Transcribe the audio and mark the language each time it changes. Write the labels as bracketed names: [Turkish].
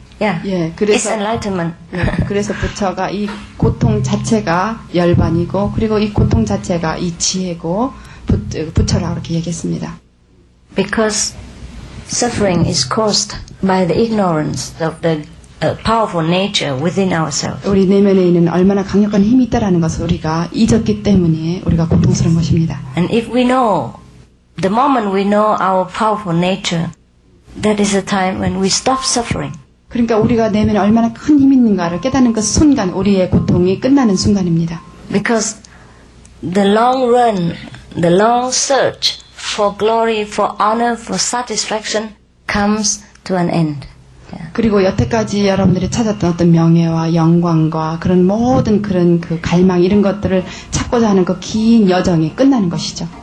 [English] Yeah. [Korean] 예, 그래서, [English] it's enlightenment. [Korean] 예, 그래서 부처가 이 고통 자체가 열반이고 그리고 이 고통 자체가 이 지혜고 부처라고 그렇게 얘기했습니다. [English] Because suffering is caused by the ignorance of the powerful nature within ourselves. [Korean] 우리 내면에 있는 얼마나 강력한 힘이 있다라는 것을 우리가 잊었기 때문에 우리가 고통스러운 것입니다. [English] And if we know, the moment we know our powerful nature, that is the time when we stop suffering. [Korean] 그러니까 우리가 내면에 얼마나 큰 힘이 있는가를 깨닫는 그 순간, 우리의 고통이 끝나는 순간입니다. [English] Because the long run, the long search for glory, for honor, for satisfaction comes to an end. [Korean] 그리고 여태까지 여러분들이 찾았던 어떤 명예와 영광과 그런 모든 그런 그 갈망 이런 것들을 찾고자 하는 그 긴 여정이 끝나는 것이죠.